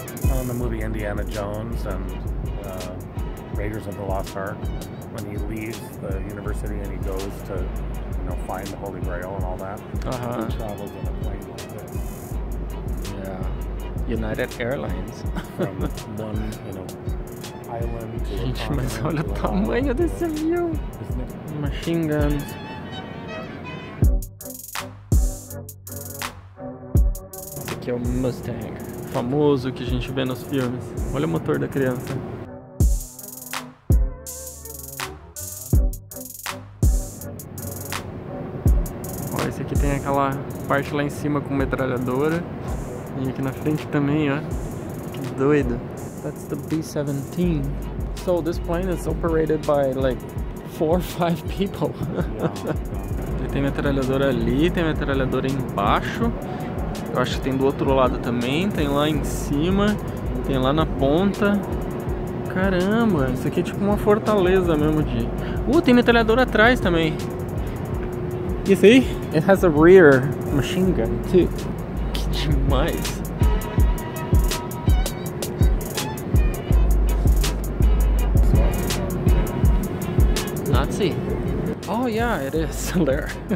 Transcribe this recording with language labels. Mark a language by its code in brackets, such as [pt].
[en] On the movie Indiana Jones and Raiders of the Lost Ark, when he leaves the university and he goes to, you know, find the Holy Grail and all that, uh-huh. He travels in a plane like this. Yeah. United Airlines. From one, you know, island to a [pt] gente, mas olha o tamanho desse avião. [en] Machine guns. [pt] Que é o Mustang, famoso que a gente vê nos filmes. Olha o motor da criança. Ó, esse aqui tem aquela parte lá em cima com metralhadora. E aqui na frente também, ó. Que doido. [en] That's the B-17. So this plane is operated by like 4 or 5 people. [pt] Ele tem metralhadora ali, tem metralhadora embaixo. Eu acho que tem do outro lado também, tem lá em cima, tem lá na ponta. Caramba, isso aqui é tipo uma fortaleza mesmo de... tem metralhadora atrás também. [en] You see? It has a rear machine gun too. [pt] Que demais. [en] Nazi. Oh yeah, it is there.